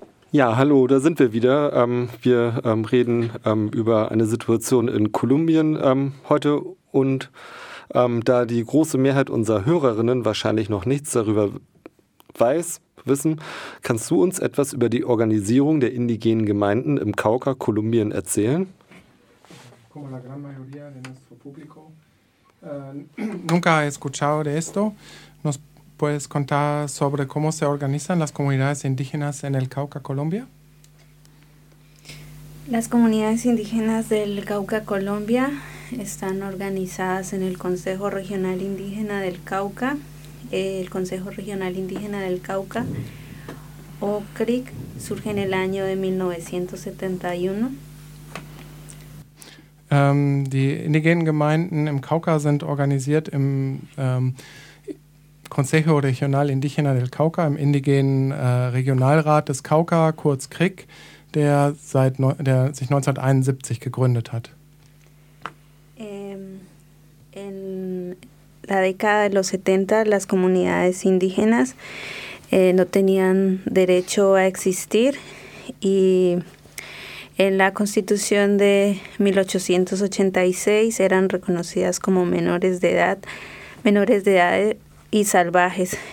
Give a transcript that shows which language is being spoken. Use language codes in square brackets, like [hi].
[de] Ja, hallo, da sind wir wieder. Wir reden über eine Situation in Kolumbien heute. Und da die große Mehrheit unserer Hörerinnen wahrscheinlich noch nichts darüber wissen, kannst du uns etwas über die Organisation der indigenen Gemeinden im Cauca, Kolumbien erzählen? [es] Como la gran mayoría de nuestro público nunca ha escuchado de esto, ¿nos puedes contar sobre cómo se organizan las comunidades indígenas en el Cauca, Colombia? Las comunidades indígenas del Cauca, Colombia están organizadas en el Consejo Regional Indígena del Cauca, el Consejo Regional Indígena del Cauca, o CRIC, surge en el año de 1971. [de] Die indigenen Gemeinden im Cauca sind organisiert im Consejo Regional Indígena del Cauca, im indigenen Regionalrat des Cauca, kurz CRIC, der sich 1971 gegründet hat. [es] En la década de los 70, las comunidades indígenas no tenían derecho a existir, y en la constitución de 1886 eran reconocidas como menores de edad y salvajes.